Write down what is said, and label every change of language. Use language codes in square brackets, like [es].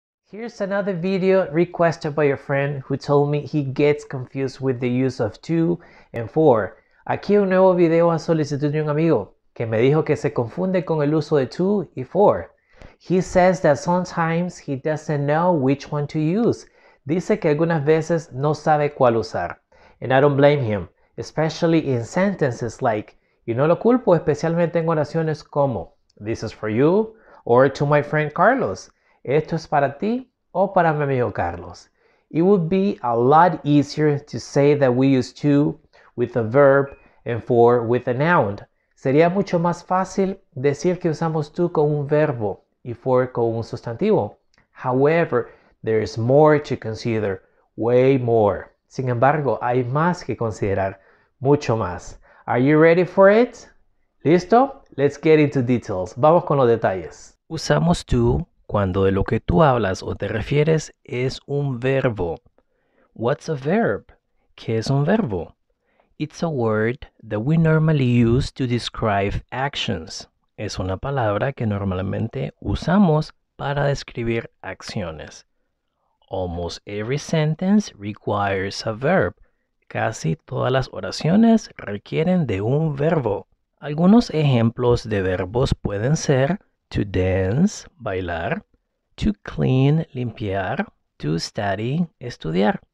[en] Here's another video requested by a friend who told me he gets confused with the use of to and for. [es] Aquí un nuevo video a solicitud de un amigo que me dijo que se confunde con el uso de to y for. [en] He says that sometimes he doesn't know which one to use. [es] Dice que algunas veces no sabe cuál usar. [en] And I don't blame him, especially in sentences like, [es] y no lo culpo, especialmente en oraciones como, [en] this is for you, or to my friend Carlos. [es] Esto es para ti o para mi amigo Carlos. [en] It would be a lot easier to say that we use to with a verb and for with a noun. [es] Sería mucho más fácil decir que usamos to con un verbo y for con un sustantivo. [en] However, there is more to consider, way more. [es] Sin embargo, hay más que considerar, mucho más. [en] Are you ready for it? [es] ¿Listo? [en] Let's get into details. [es] Vamos con los detalles. Usamos to cuando de lo que tú hablas o te refieres es un verbo. [en] What's a verb? [es] ¿Qué es un verbo? [en] It's a word that we normally use to describe actions. [es] Es una palabra que normalmente usamos para describir acciones. [en] Almost every sentence requires a verb. [es] Casi todas las oraciones requieren de un verbo. Algunos ejemplos de verbos pueden ser to dance, bailar, to clean, limpiar, to study, estudiar.